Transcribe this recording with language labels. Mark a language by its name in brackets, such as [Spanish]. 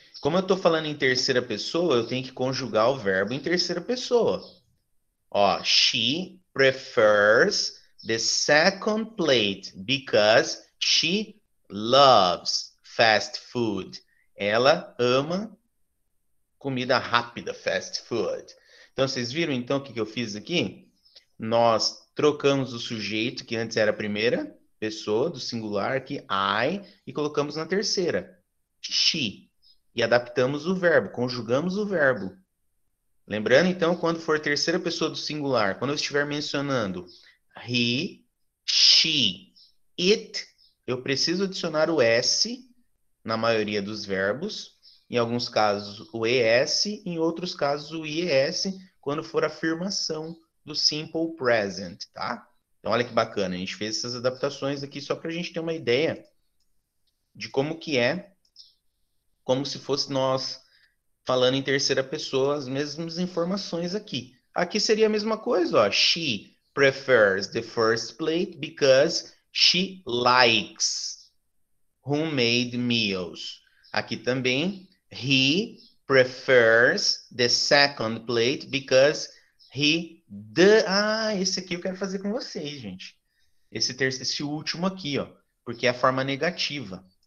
[Portuguese] Como eu tô falando em terceira pessoa, eu tenho que conjugar o verbo em terceira pessoa. [English] Ó, she prefers the second plate because she loves fast food. [Portuguese] Ela ama comida rápida, fast food. Então, vocês viram então o que eu fiz aqui? Nós trocamos o sujeito, que antes era a primeira pessoa do singular, que I, e colocamos na terceira, she. E adaptamos o verbo, conjugamos o verbo. Lembrando, então, quando for terceira pessoa do singular, quando eu estiver mencionando [English] he, she, it, [Portuguese] eu preciso adicionar o S na maioria dos verbos, em alguns casos o ES, em outros casos o IES, quando for afirmação do simple present, tá? Então, olha que bacana, a gente fez essas adaptações aqui só para a gente ter uma ideia de como que é, como se fosse nós falando em terceira pessoa as mesmas informações aqui. Aqui seria a mesma coisa, ó. [English] She prefers the first plate because she likes homemade meals. [Portuguese] Aqui também, [English] he prefers the second plate because he does. [Portuguese] Ah, esse aqui eu quero fazer com vocês, gente. Esse último aqui, ó, porque é a forma negativa.